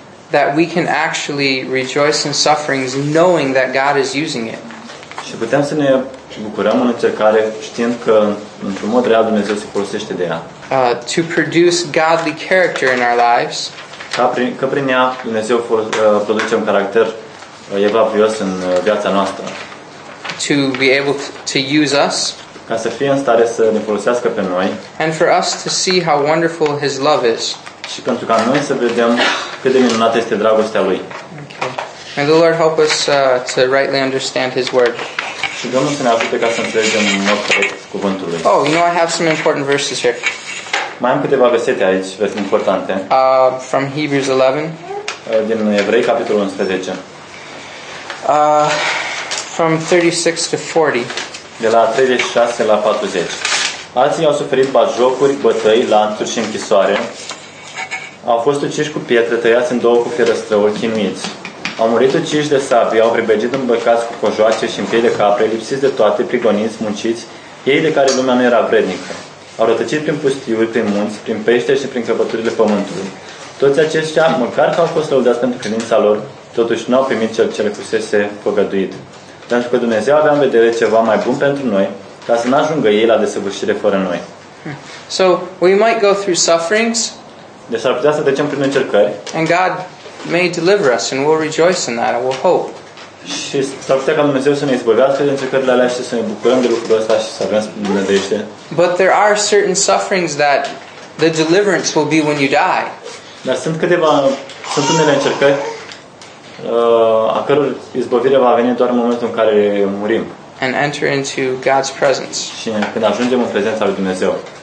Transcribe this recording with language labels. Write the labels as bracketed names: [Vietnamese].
[English] That we can actually rejoice in sufferings knowing that God is using it. [Romanian] Și putem să ne bucurăm în încercare știind că într-un mod real Dumnezeu se folosește de ea. [English] To produce godly character in our lives. [Romanian] Că prin ea Dumnezeu produce un caracter evlavios în viața noastră. [English] To be able to use us. [Romanian] Ca să fie în stare să ne folosească pe noi. [English] And for us to see how wonderful his love is. [Romanian] Și pentru ca noi să vedem cât de minunată este dragostea lui. [English] May the Lord help us to rightly understand his word. [Romanian] Și Domnul să ne ajute ca să înțelegem în mod corect cuvântul lui. [English] Oh, you know, I have some important verses here. [Romanian] Mai am câteva versete aici, versete importante. [English] From Hebrews 11. [Romanian] Din Evrei, capitolul 11. [English] From 36 to 40. [Romanian] De la 36 la 40. Alții au suferit batjocuri, bătăi, lanțuri și închisoare. Au fost uciși cu pietre, tăiați în două cu fierăstrăuri, chinuiți. Au murit uciși de sabie, au pribegit îmbăcați cu cojoace și în piei de capre, lipsiți de toate, prigoniți, munciți, ei de care lumea nu era vrednică. Au rătăcit prin pustiuri, prin munți, prin pește și prin crăpăturile pământului. Toți aceștia, măcar că au fost lăudați pentru credința lor, totuși n-au primit cel ce le fusese făgăduit. Pentru că Dumnezeu avea în vedere ceva mai bun pentru noi, ca să n-ajungă ei la desăvârșire fără noi. [English] So, we might go through sufferings. [Romanian] Deci s-ar putea să trecem prin încercări. [English] And God may deliver us and we'll rejoice in that and we'll hope. [Romanian] Și s-ar putea ca Dumnezeu să ne izbăvească de încercările alea și să ne bucurăm de lucrul ăsta și să avem nădejde. [English] But there are certain sufferings that the deliverance will be when you die. [Romanian] Dar sunt unele încercări a căror izbăvire va veni doar în momentul în care murim. [English] And enter into God's presence. [Romanian] Și când ajungem în prezența lui Dumnezeu.